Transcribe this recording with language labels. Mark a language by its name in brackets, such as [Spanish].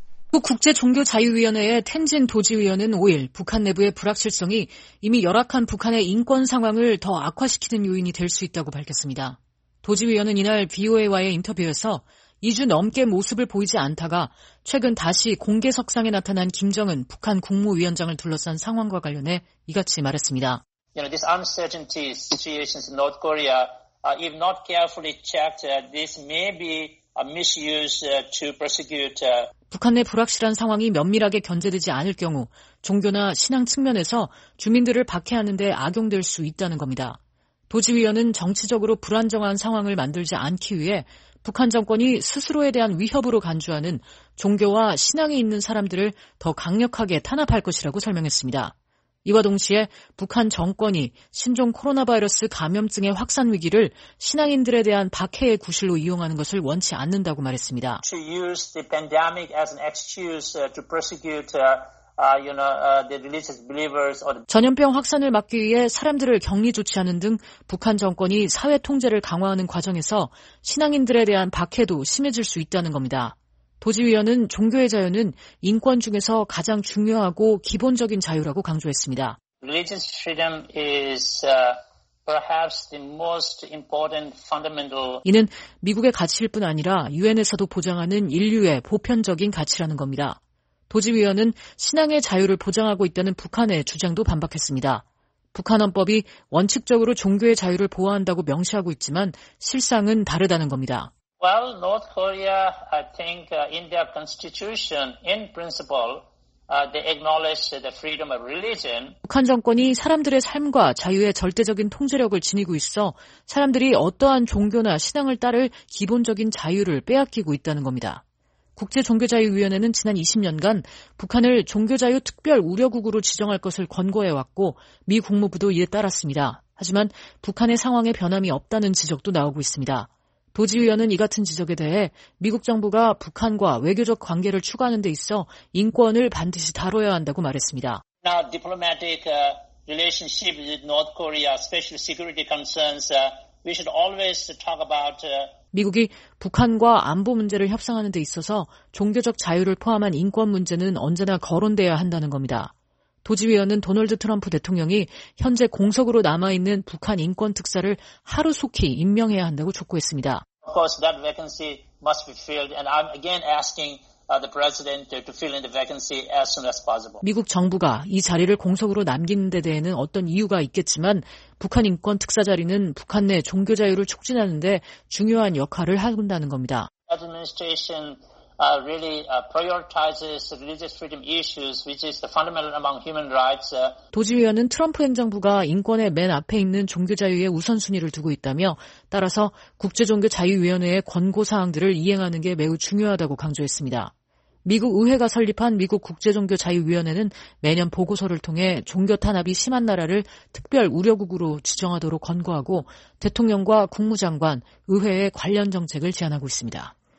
[Korean] 국제종교자유위원회의 텐진 도지위원은 5일 북한 내부의 불확실성이 이미 열악한 북한의 인권 상황을 더 악화시키는 요인이 될 수 있다고 밝혔습니다. 도지위원은 이날 VOA와의 인터뷰에서 2주 넘게 모습을 보이지 않다가 최근 다시 공개석상에 나타난 김정은 북한 국무위원장을 둘러싼 상황과 관련해 이같이 말했습니다. [English] You know, this uncertainty situation in North Korea, if not carefully checked, this may be a misuse to persecute. [Korean] 북한 내 불확실한 상황이 면밀하게 견제되지 않을 경우 종교나 신앙 측면에서 주민들을 박해하는 데 악용될 수 있다는 겁니다. 도지위원은 정치적으로 불안정한 상황을 만들지 않기 위해 북한 정권이 스스로에 대한 위협으로 간주하는 종교와 신앙이 있는 사람들을 더 강력하게 탄압할 것이라고 설명했습니다. 이와 동시에 북한 정권이 신종 코로나 바이러스 감염증의 확산 위기를 신앙인들에 대한 박해의 구실로 이용하는 것을 원치 않는다고 말했습니다. [English] To use the pandemic as an excuse to persecute the religious believers or the... [Korean] 전염병 확산을 막기 위해 사람들을 격리 조치하는 등 북한 정권이 사회 통제를 강화하는 과정에서 신앙인들에 대한 박해도 심해질 수 있다는 겁니다. 도지위원은 종교의 자유는 인권 중에서 가장 중요하고 기본적인 자유라고 강조했습니다. [English] Religious freedom is perhaps the most important fundamental. [Korean] 이는 미국의 가치일 뿐 아니라 UN에서도 보장하는 인류의 보편적인 가치라는 겁니다. 도지위원은 신앙의 자유를 보장하고 있다는 북한의 주장도 반박했습니다. 북한 헌법이 원칙적으로 종교의 자유를 보호한다고 명시하고 있지만 실상은 다르다는 겁니다. [English] Well, North Korea, I think, in their constitution, in principle, they acknowledge the freedom of religion. [Korean] 북한 정권이 사람들의 삶과 자유의 절대적인 통제력을 지니고 있어 사람들이 어떠한 종교나 신앙을 따를 기본적인 자유를 빼앗기고 있다는 겁니다. 국제종교자유위원회는 지난 20년간 북한을 종교자유 특별 우려국으로 지정할 것을 권고해왔고 미 국무부도 이에 따랐습니다. 하지만 북한의 상황에 변함이 없다는 지적도 나오고 있습니다. 도지위원은 이 같은 지적에 대해 미국 정부가 북한과 외교적 관계를 추구하는 데 있어 인권을 반드시 다뤄야 한다고 말했습니다. [English] Now, diplomatic relationship with North Korea, special security concerns, we should always talk about... [Korean] 미국이 북한과 안보 문제를 협상하는 데 있어서 종교적 자유를 포함한 인권 문제는 언제나 거론돼야 한다는 겁니다. 도지위원은 도널드 트럼프 대통령이 현재 공석으로 남아있는 북한 인권 특사를 하루속히 임명해야 한다고 촉구했습니다. [English] Of course, that vacancy must be filled, and I'm again asking the president to fill in the vacancy as soon as possible. [Korean] 미국 정부가 이 자리를 공석으로 남기는 데 대해는 어떤 이유가 있겠지만 북한 인권 특사 자리는 북한 내 종교 자유를 촉진하는 데 중요한 역할을 한다는 겁니다. [English] Administration really prioritizes religious freedom issues, which is the fundamental among human rights. [Korean] 도지위원은 트럼프 행정부가 인권의 맨 앞에 있는 종교 자유의 우선순위를 두고 있다며 따라서 국제종교 자유위원회의 권고 사항들을 이행하는 게 매우 중요하다고 강조했습니다. 미국 의회가 설립한 미국 국제종교 자유위원회는 매년 보고서를 통해 종교 탄압이 심한 나라를 특별 우려국으로 지정하도록 권고하고 대통령과 국무장관, 의회의 관련 정책을 제안하고 있습니다.